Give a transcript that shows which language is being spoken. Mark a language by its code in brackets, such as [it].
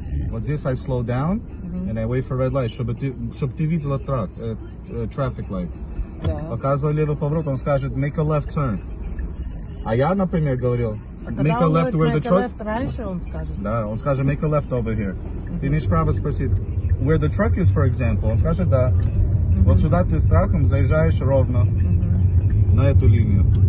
[ru] Вот здесь [en] I slow down and I wait for red light, [ru] чтобы ты видела трак, [en] traffic light. [ru] Да. Показывай левый поворот, он скажет [en] make a left turn. [ru] А я, например, говорил. [en] Make a left where the truck. [ru] Раньше, да, он скажет [en] make a left over here. [ru] Ты имеешь право спросить [en] where the truck is, for example. [ru] Он скажет да. Вот сюда ты с траком заезжаешь ровно на эту линию.